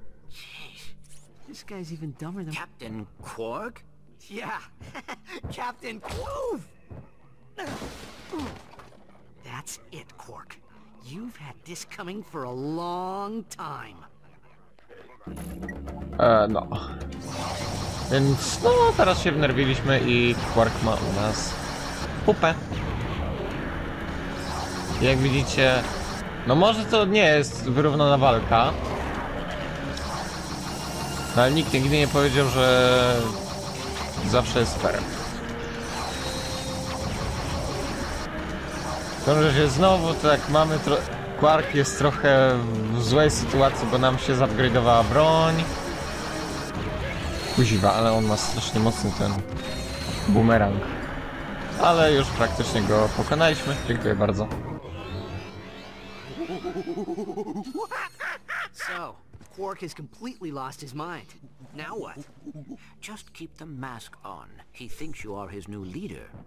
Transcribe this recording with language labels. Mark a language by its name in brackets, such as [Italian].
[English] Jeez. This guy's even dumber than... Captain Quark? Yeah. Captain Quove! That's it, Quark. You've had this coming for a long time. No. [Polish] Więc no, teraz się wnerwiliśmy i Quark ma u nas pupę. Jak widzicie, no może to nie jest wyrównana walka. No, ale nikt nigdy nie powiedział, że zawsze jest fair. W tym razie znowu tak mamy Quark jest trochę w złej sytuacji, bo nam się zupgrade'owała broń. Kuziwa, ale on ma strasznie mocny ten bumerang. Ale już praktycznie go pokonaliśmy. Dziękuję bardzo. [English] So, Quark has completely lost his mind. Now what? Just keep the mask on. He thinks you are his new leader.